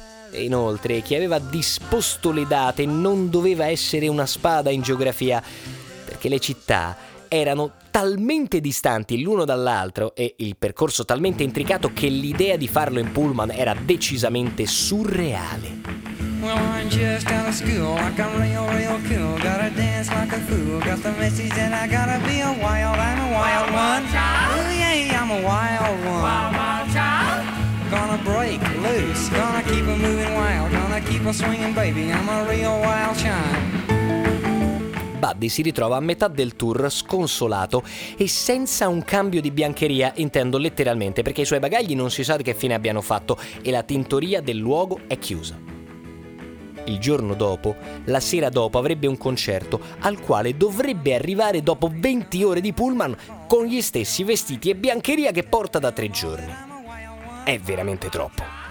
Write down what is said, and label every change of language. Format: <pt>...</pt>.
<it>E inoltre, chi aveva disposto le date non doveva essere una spada in geografia, perché le città erano talmente distanti l'uno dall'altro e il percorso talmente intricato che l'idea di farlo in pullman era decisamente surreale.</it> <en>Well, I'm just out of school, like I'm real, real cool. Gotta dance like a fool, got the message and I gotta be a wild. I'm a wild, wild one, child. Ooh, yeah, I'm a wild one. Wild, wild child. Gonna break loose, gonna keep on moving wild. Gonna keep on swinging, baby, I'm a real wild child.</en> <it>Buddy si ritrova a metà del tour sconsolato e senza un cambio di biancheria, intendo letteralmente, perché i suoi bagagli non si sa che fine abbiano fatto e la tintoria del luogo è chiusa. Il giorno dopo, la sera dopo, avrebbe un concerto al quale dovrebbe arrivare dopo 20 ore di pullman con gli stessi vestiti e biancheria che porta da 3 giorni. È veramente troppo.</it>